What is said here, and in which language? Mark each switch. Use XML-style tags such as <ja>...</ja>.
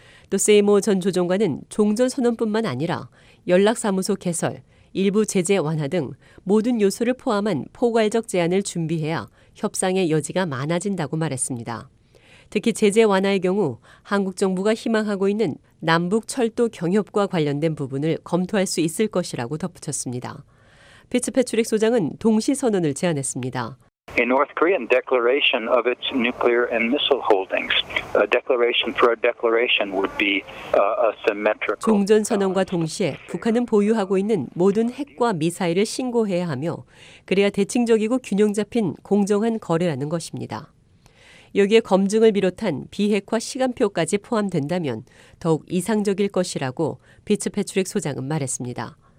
<ko>또 세이모 전 조정관은 종전 선언뿐만 아니라 연락사무소 개설, 일부 제재 완화 등 모든 요소를 포함한 포괄적 제안을 준비해야 협상의 여지가 많아진다고 말했습니다. 특히 제재 완화의 경우 한국 정부가 희망하고 있는 남북 철도 경협과 관련된 부분을 검토할 수 있을 것이라고 덧붙였습니다. 피츠패트릭 소장은 동시 선언을 제안했습니다.</ko> <en>A North Korean declaration of its nuclear and missile holdings. A declaration for a declaration would be a symmetrical.</en> <ko>종전 선언과 동시에 북한은 보유하고 있는 모든 핵과 미사일을 신고해야 하며 그래야 대칭적이고 균형 잡힌 공정한 거래라는 것입니다. 여기에 검증을 비롯한 비핵화 시간표까지 포함된다면 더욱 이상적일 것이라고 피츠패트릭 소장은 말했습니다.</ko>